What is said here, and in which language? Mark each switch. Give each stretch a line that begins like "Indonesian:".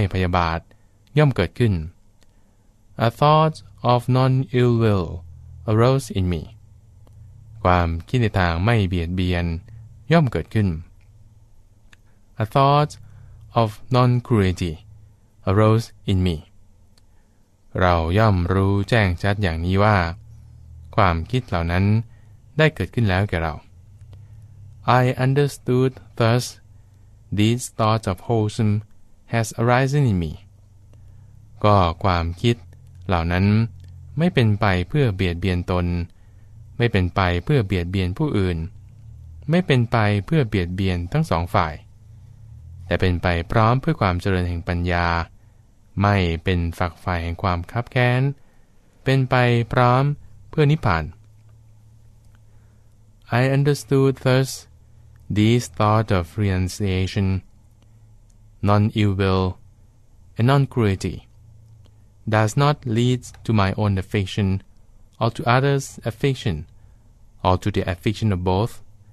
Thai: ความคิดในทางไม่พยาบาทย่อมเกิดขึ้น
English: A thought of non-ill will arose in me.
Thai: ความคิดในทางไม่เบียดเบียนย่อมเกิดขึ้น
English: A thought of non-cruelty arose in me.
Thai: เราย่อมรู้แจ้งชัดอย่างนี้ว่าความคิดเหล่านั้นได้เกิดขึ้นแล้วแก่เรา
English: I understood thus these thoughts of wholesome has arisen in me.
Thai: ก็ความคิด เหล่านั้นไม่เป็นไปเพื่อเบียดเบียนตนไม่เป็นไปเพื่อเบียดเบียนผู้อื่นไม่เป็นไปเพื่อเบียดเบียนทั้ง 2 ฝ่ายแต่เป็นไปพร้อมเพื่อความเจริญแห่งปัญญาไม่เป็นฝักใฝ่แห่งความคับแค้นเป็นไปพร้อมเพื่อนิพพาน
English: I understood thus these thoughts of renunciation non-ill will and non-cruelty does not lead to my own affection, or to others' affection, or to the affection of both.